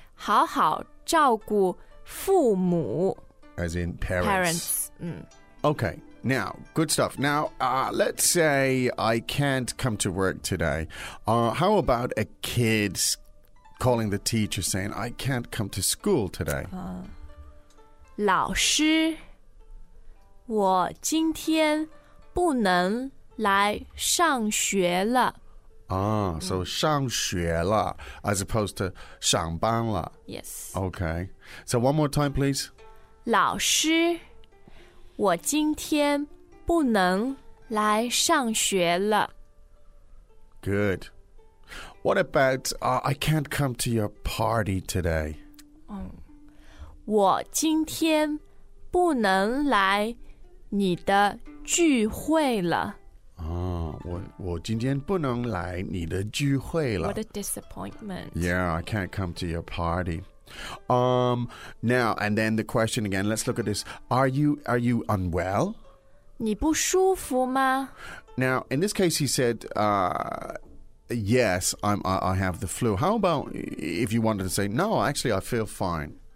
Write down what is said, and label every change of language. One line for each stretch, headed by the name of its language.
Chinese: 好好照顾父母
English: as in parents. Parents. Okay, now, good stuff. Now, let's say I can't come to work today. How about a kid calling the teacher saying, I can't come to school today?
Chinese: 老师我今天不能来上学了。
English: So
Chinese: 上学了
English: as opposed to
Chinese: 上班了。
English: Yes. Okay. So one more time, please.
Chinese: 老师我今天不能来上学了。
English: Good. What about, I can't come to your party today.
Chinese: 我今天不能来你的聚会了。我今天不能来你的聚会了。
English: What a disappointment. Yeah, I can't come to your party. Now, and then the question again, let's look at this. Are you unwell?
Chinese: 你不舒服吗?
English: Now, in this case, he said, yes, I have the flu. How about if you wanted to say, no, actually, I feel fine.